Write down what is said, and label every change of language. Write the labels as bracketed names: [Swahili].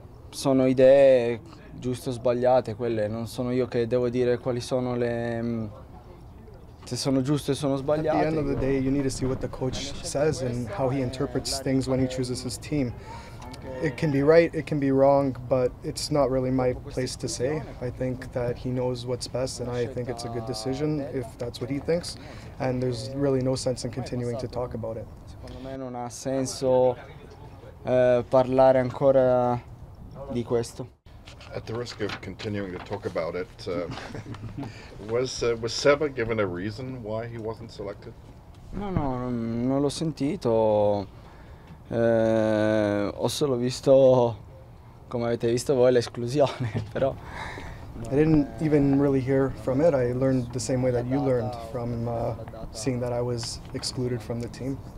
[Italian] Sono idee giusto o sbagliate, quelle non sono io che devo dire quali sono le, se sono giusto e sono sbagliato. [English] At the end of the day, you need to see what the coach says and how he interprets things when he chooses his team. It can be right, it can be wrong, but it's not really my place to say. I think that he knows what's best and I think it's a good decision if that's what he thinks, and there's really no sense in continuing to talk about it. [Italian] Secondo me non ha senso parlare ancora di questo. [English] At the risk of continuing to talk about it, was Seba given a reason why he wasn't selected? [Italian] No, non l'ho sentito. Ho solo visto, come avete visto voi, l'esclusione, però. [English] I didn't even really hear from it. I learned the same way that you learned from seeing that I was excluded from the team.